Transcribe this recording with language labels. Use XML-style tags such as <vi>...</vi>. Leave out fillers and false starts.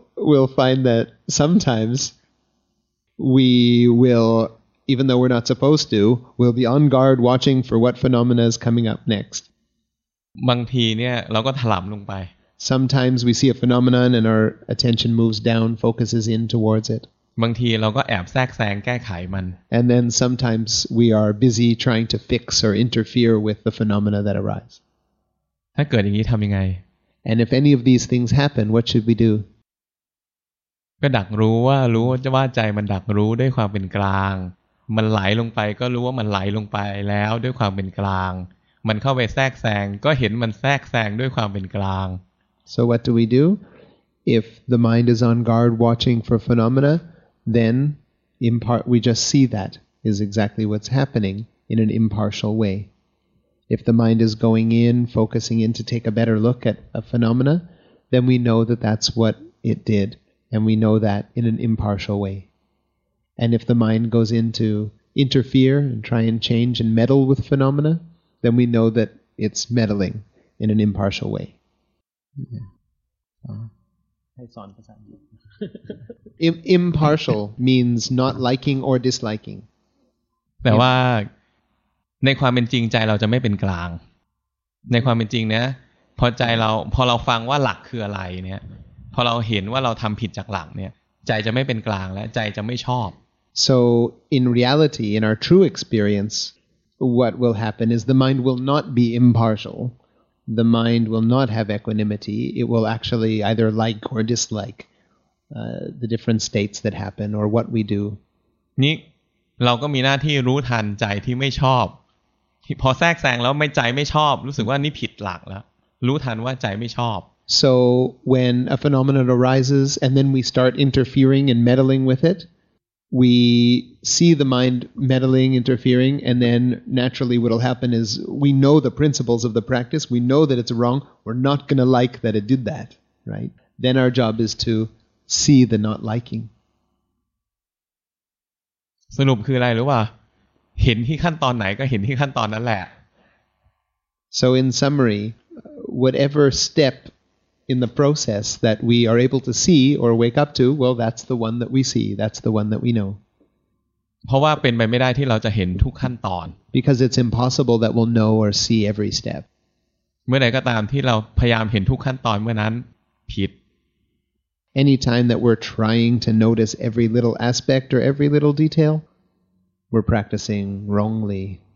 <en>We'll find that sometimes we will, even though we're not supposed to, we'll be on guard watching for what phenomena is coming up next.</en> <th>บางทีเนี่ยเราก็ถลำลงไป</th> <en>Sometimes we see a phenomenon and our attention moves down, focuses in towards it.</en> <th>บางทีเราก็แอบแทรกแซงแก้ไขมัน</th> <en>And then sometimes we are busy trying to fix or interfere with the phenomena that arise.</en> <th>ถ้าเกิดอย่างนี้ทำยังไง</th> <en>And if any of these things happen, what should we do?</en> <th>ก็ดักรู้ว่ารู้ว่าใจมันดักรู้ด้วยความเป็นกลางมันไหลลงไปก็รู้ว่ามันไหลลงไปแล้วด้วยความเป็นกลางมันเข้าไปแทรกแซงก็เห็นมันแทรกแซงด้วยความเป็นกลาง</th> <en>So what do we do? If the mind is on guard watching for phenomena, then in part we just see that is exactly what's happening in an impartial way. If the mind is going in, focusing in to take a better look at a phenomena, then we know that that's what it did, and we know that in an impartial way. And if the mind goes in to interfere and try and change and meddle with phenomena, then we know that it's meddling in an impartial way.</en> <th>ให้สอนภาษาอังกฤษ</th> <en>Impartial means not liking or disliking</en> <th>แต่ว่าในความเป็นจริงใจเราจะไม่เป็นกลางในความเป็นจริงนะพอใจเราพอเราฟังว่าหลักคืออะไรเนี่ยพอเราเห็นว่าเราทำผิดจากหลักเนี่ยใจจะไม่เป็นกลางและใจจะไม่ชอบ</th> <en>So in reality in our true experience what will happen is the mind will not be impartialThe mind will not have equanimity. It will actually either like or dislike the different states that happen or what we do.</en> <th>นี่เราก็มีหน้าที่รู้ทันใจที่ไม่ชอบพอแทรกแซงแล้วไม่ใจไม่ชอบรู้สึกว่านี่ผิดหลักแล้วรู้ทันว่าใจไม่ชอบ</th> <en>So when a phenomenon arises and then we start interfering and meddling with it, we see the mind meddling, interfering, and then naturally what'll happen is we know the principles of the practice. We know that it's wrong. We're not going to like that it did that, right? Then our job is to see the not liking.</en> <th>สรุปคืออะไรรู้ป่ะ เห็นที่ขั้นตอนไหนก็เห็นที่ขั้นตอนนั้นแหละ</th> <en>So in summary, whatever step in the process that we are able to see or wake up to, well, that's the one that we see. That's the one that we know.</en> <th>เพราะว่าเป็นไปไม่ได้ที่เราจะเห็นทุกขั้นตอน</th> <en>Because it's impossible that we'll know or see every step.</en> <th>เมื่อไหร่ก็ตามที่เราพยายามเห็นทุกขั้นตอนเมื่อนั้นผิด</th> <en>Anytime that we're trying to notice every little aspect or every little detail, we're practicing wrongly.</en>